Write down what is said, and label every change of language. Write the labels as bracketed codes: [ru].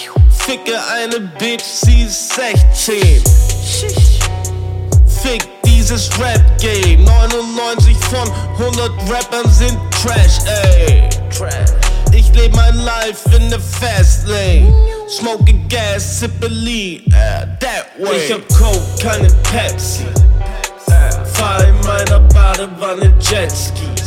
[de] Ficke eine Bitch, sie ist 16. Fick dieses Rap Game. 99 von 100 Rappern sind Trash, ey. Ich lebe mein Life [en] in the fast lane. Smoke a gas, sip a lean, that way. [de] Ich hab Coke, keine Pepsi. Fahr in meiner Badewanne Jetski.